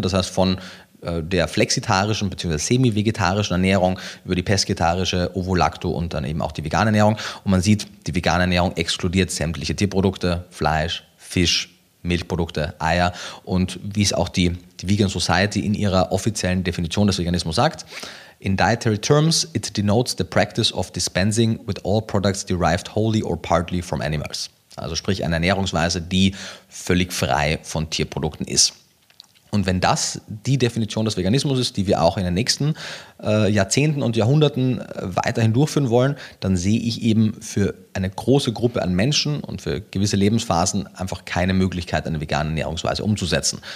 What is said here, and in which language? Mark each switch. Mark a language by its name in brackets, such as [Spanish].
[German] Das heißt von der flexitarischen bzw. semi-vegetarischen Ernährung über die pesketarische, Ovo-Lacto und dann eben auch die vegane Ernährung. Und man sieht, die vegane Ernährung exkludiert sämtliche Tierprodukte, Fleisch, Fisch, Milchprodukte, Eier und wie es auch die Vegan Society in ihrer offiziellen Definition des Veganismus sagt. [English] In dietary terms, it denotes the practice of dispensing with all products derived wholly or partly from animals. [German] Also sprich eine Ernährungsweise, die völlig frei von Tierprodukten ist. Und wenn das die Definition des Veganismus ist, die wir auch in den nächsten Jahrzehnten und Jahrhunderten weiterhin durchführen wollen, dann sehe ich eben für eine große Gruppe an Menschen und für gewisse Lebensphasen einfach keine Möglichkeit, eine vegane Ernährungsweise umzusetzen.